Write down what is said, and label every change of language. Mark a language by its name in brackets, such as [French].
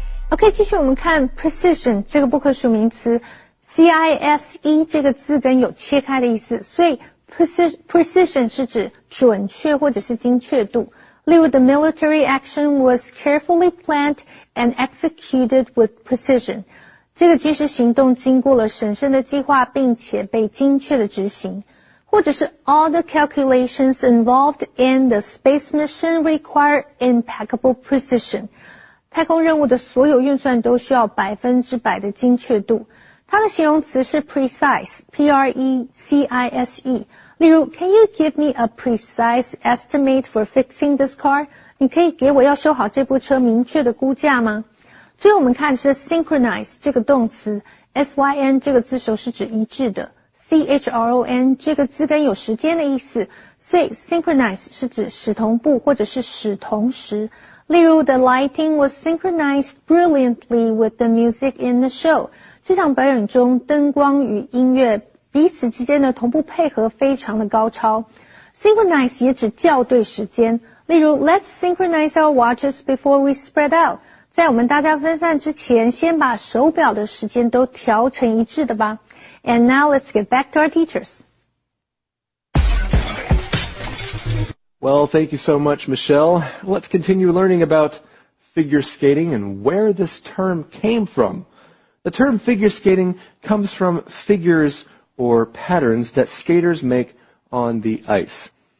[Chinese] Okay, 继续我们看 precision 这个不可数名词 ,C-I-S-E 这个字根有切开的意思，所以Precision 是指准确或者是精确度。例如 [English] The military action was carefully planned and executed with precision. [Chinese] 这个军事行动经过了审慎的计划并且被精确的执行。或者是 [English] All the calculations involved in the space mission require impeccable precision. [Chinese] 太空任务的所有运算都需要百分之百的精确度。它的形容词是 precise, P-R-E-C-I-S-E. 例如 [English] ,Can you give me a precise estimate for fixing this car? [Chinese] 你可以给我要修好这部车明确的估价吗？最后我们看的是 synchronize 这个动词 ,S-Y-N 这个字首是指一致的 ,C-H-R-O-N 这个字根有时间的意思，所以 synchronize 是指使同步或者是使同时。例如 [English] the lighting was synchronized brilliantly with the music in the show. [Chinese] 这场表演中灯光与音乐彼此之间的同步配合非常的高超。 Synchronize 也指校对时间。例如 [English] let's synchronize our watches before we spread out. [Chinese] 在我们大家分散之前先把手表的时间都调成一致的吧。 [English] And now let's get back to our teachers. Well, thank you so much, Michelle. Let's continue learning about figure skating and where this term came from. The term figure skating comes from figures or patterns that skaters make on the ice.